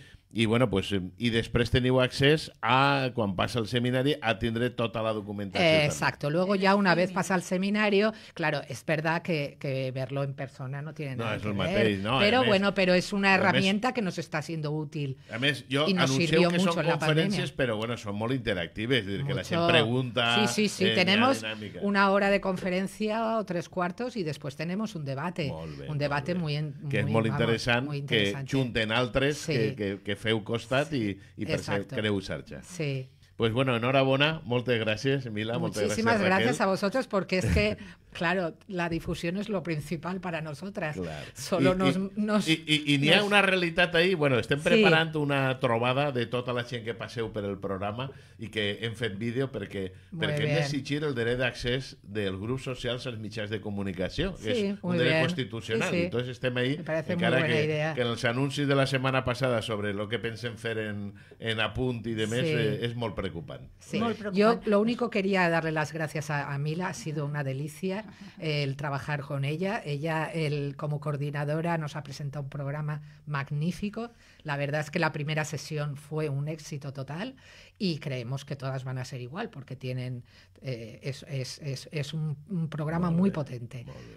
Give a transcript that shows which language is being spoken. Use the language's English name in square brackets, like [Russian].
[Catalan] I bueno, pues, i després teniu accés a, quan passa el seminari, a tindre tota la documentació. Exacto, també. [Spanish] Luego ya una vez pasa el seminario, claro, es verdad que verlo en persona no tiene nada que ver. [Catalan] No, es el mateix, no. [Spanish] Pero bueno, pero es una herramienta que nos está siendo útil. [Catalan] A més, jo anuncio que són conferències, però bueno, són molt interactives, és a dir, que la gent pregunta. [Spanish] Sí, tenemos una hora de [Catalan] conferència o tres quartos i després [Spanish] tenemos un debate. Un debate muy interesante. [Catalan] Que és molt interessant, que junten altres, que feu costat i per ser creu xarxa. Sí. Pues bueno, enhorabona, moltes gràcies, Mila, moltes gràcies, Raquel. [Spanish] Muchísimas gracias a vosotros, porque es que, claro, la difusión es lo principal para nosotras. Claro. Solo [Catalan] hi ha una realitat ahí, bueno, estem preparant una trobada de tota la gent que passeu per el programa i que hem fet vídeo perquè hem d'exigir el dret d'accés del grup social als mitjans de comunicació, que sí, és un dret constitucional. Sí, sí. [Spanish] Entonces [Catalan] estem ahí, encara que en els anuncis de la setmana passada sobre lo que pensen fer en Apunt i demés, sí, és molt preocupant. Sí. [Spanish] Yo lo único quería darle las gracias a Mila, ha sido una delicia el trabajar con ella. Ella, como coordinadora, nos ha presentado un programa magnífico. La verdad es que la primera sesión fue un éxito total y creemos que todas van a ser igual porque tienen es un programa muy potente.